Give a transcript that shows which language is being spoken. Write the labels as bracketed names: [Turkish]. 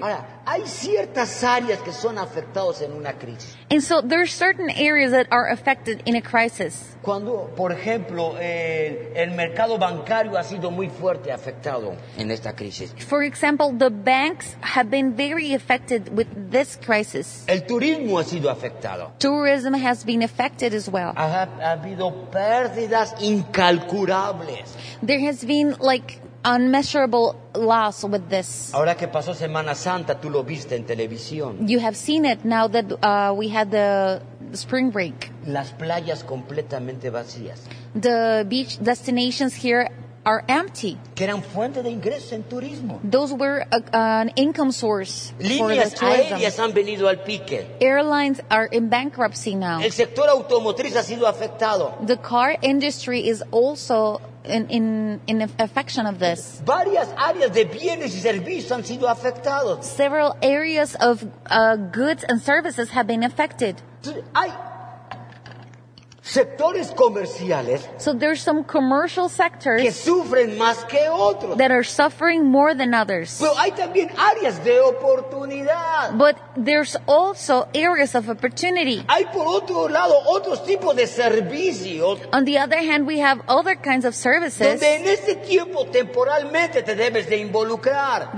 [Spanish] Ahora, hay ciertas áreas que son afectadas en una crisis. [English] And so there are certain areas that are affected in a crisis. [Spanish] Cuando, por ejemplo, el mercado bancario ha sido muy fuerte afectado en esta crisis. [English] For example, the banks have been very affected with this crisis. [Spanish] El turismo ha sido afectado. [English] Tourism has been affected as well. [Spanish] Ha habido pérdidas incalculables. [English] There has been like unmeasurable loss with this. [Spanish] Ahora que pasó Semana Santa, tú lo viste en televisión. [English] You have seen it now that we had the spring break. [Spanish] Las playas completamente vacías. [English] The beach destinations here are empty. [Spanish] Que eran fuente de ingresos en turismo. [English] Those were an income source. [Spanish] Líneas [English] for the [Spanish] aéreas han venido al pique. [English] Airlines are in bankruptcy now. [Spanish] El sector automotriz ha sido afectado. [English] The car industry is also in affection of this. [Spanish] Varias áreas de bienes y servicios han sido afectados. [English] Several areas of goods and services have been affected. [Spanish] Hay sectores comerciales. [English] So there's some commercial sectors [Spanish] que sufren más que otros. [English] That are suffering more than others. [Spanish] Pero hay también áreas de oportunidad. [English] But there's also areas of opportunity. [Spanish] Hay por otro lado otros tipos de servicios. [English] On the other hand, we have other kinds of services. [Spanish] Donde en este tiempo temporalmente te debes de involucrar.